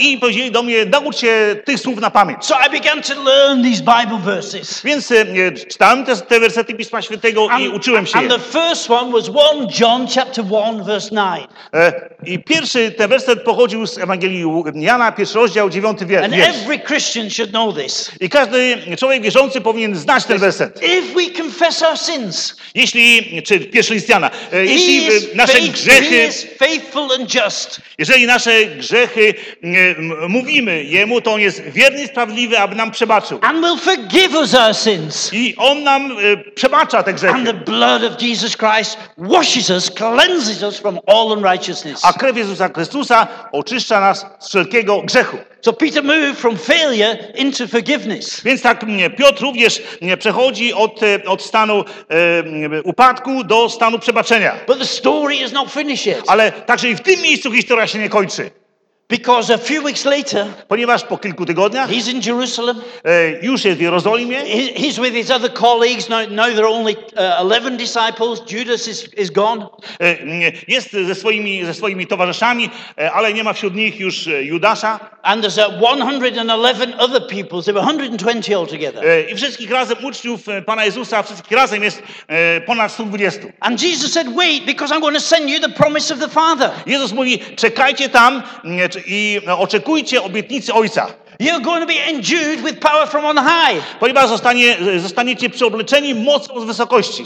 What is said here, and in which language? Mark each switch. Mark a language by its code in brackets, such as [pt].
[pl] I powiedzieli do mnie, naucz się tych słów na pamięć. [en] So I began to learn these Bible verses. [pl] Więc czytałem te wersety Pisma Świętego i uczyłem się. [en] And the first one was 1 John chapter 1 verse 9. [pl] I pierwszy ten werset pochodził z Ewangelii Jana, pierwszy rozdział, dziewiąty wiersz. [en] And every Christian should know this. [pl] I każdy człowiek wierzący powinien znać ten werset. [en] If we confess our sins, [pl] jeśli, czy pierwszy list Jana, jeśli nasze grzechy, [en] he is faithful and just. [pl] Jeżeli nasze grzechy mówimy Jemu, to On jest wierny i sprawiedliwy, aby nam przebaczył. [en] And will forgive us our sins. [pl] I On nam przebacza te grzechy. [en] And the blood of Jesus Christ washes us, cleanses us from all unrighteousness. [pl] A krew Jezusa Chrystusa oczyszcza nas z wszelkiego grzechu. [en] So Peter moved from failure into forgiveness. [pl] Więc tak Piotr również przechodzi od stanu upadku do stanu przebaczenia. [en] But the story is not finished yet. [pl] Ale także i w tym miejscu historia się nie kończy. [en] Because a few weeks later, [pl] ponieważ po kilku tygodniach, [en] he's in Jerusalem, [pl] już jest w Jerozolimie, [en] he's with his other colleagues. Now there are only 11 disciples. Judas is gone. [pl] Jest ze swoimi towarzyszami, ale nie ma wśród nich już Judasza. [en] And there's 111 other people. There were 120 altogether. [pl] I wszystkich razem uczniów Pana Jezusa, wszystkich razem jest ponad 120. [en] And Jesus said, "Wait, because I'm going to send you the promise of the Father." [pl] Jezus mówi, czekajcie tam. I oczekujcie obietnicy Ojca. [en] You're going to be endued with power from on high. [pl] Ponieważ zostaniecie przeobleczeni mocą z wysokości.